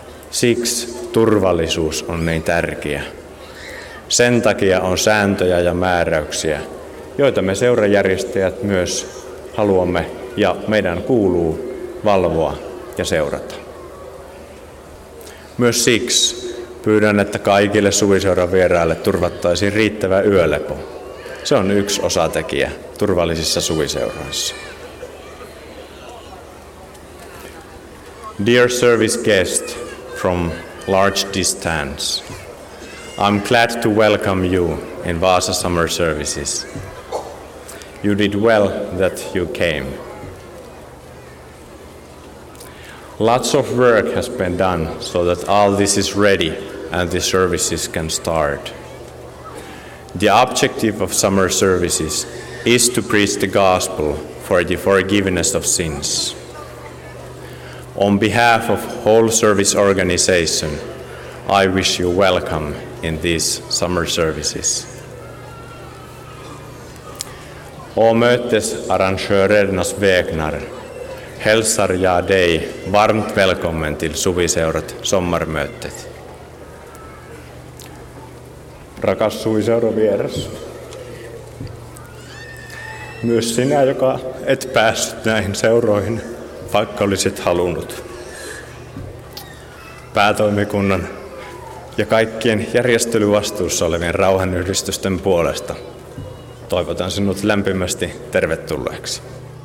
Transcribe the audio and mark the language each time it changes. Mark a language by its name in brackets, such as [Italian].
[Finnish] Siksi turvallisuus on niin tärkeä. Sen takia on sääntöjä ja määräyksiä, joita me seurajärjestäjät myös haluamme ja meidän kuuluu valvoa ja seurata. Myös siksi pyydän, että kaikille suviseuran vieraille turvattaisiin riittävä yölepo. Se on yksi osatekijä turvallisissa suviseuroissa. [English] Dear service guest from large distance, I'm glad to welcome you in Vasa Summer Services. You did well that you came. Lots of work has been done so that all this is ready and the services can start. The objective of summer services is to preach the gospel for the forgiveness of sins. On behalf of whole service organization, I wish you welcome in these summer services. [Swedish] Å mötesarrangörernas vägnar hälsar jag dig varmt välkommen till Suviseurat sommarmötet. [Finnish] Rakas Suviseuran vieras, myös sinä, joka et päässyt näihin seuroihin, vaikka olisit halunnut. Päätoimikunnan ja kaikkien järjestelyvastuussa olevien rauhanyhdistysten puolesta toivotan sinut lämpimästi tervetulleeksi.